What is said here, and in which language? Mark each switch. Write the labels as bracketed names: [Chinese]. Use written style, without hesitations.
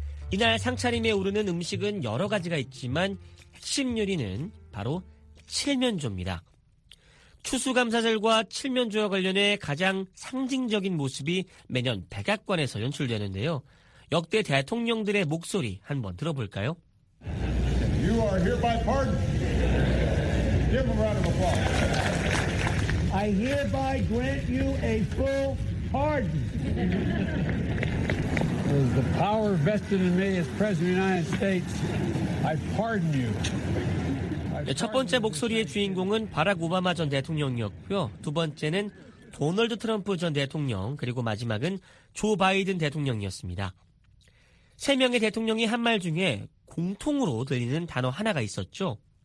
[Korean] 이날 상차림에 오르는 음식은 여러 가지가 있지만 핵심 요리는 바로 칠면조입니다. 추수감사절과 칠면조와 관련해 가장 상징적인 모습이 매년 백악관에서 연출되는데요. 역대 대통령들의 목소리 한번 들어볼까요? [English] You are hereby pardoned. Give him a round of applause. I hereby grant you a full pardon. As the power vested in me as President of the United States, I pardon you. [Korean] 첫 번째 목소리의 주인공은 바락 오바마 전 대통령이었고요. 두 번째는 도널드 트럼프 전 대통령, 그리고 마지막은 조 바이든 대통령이었습니다. 세 명의 대통령이 한 말 중에 공통으로 들리는 단어 하나가 있었죠.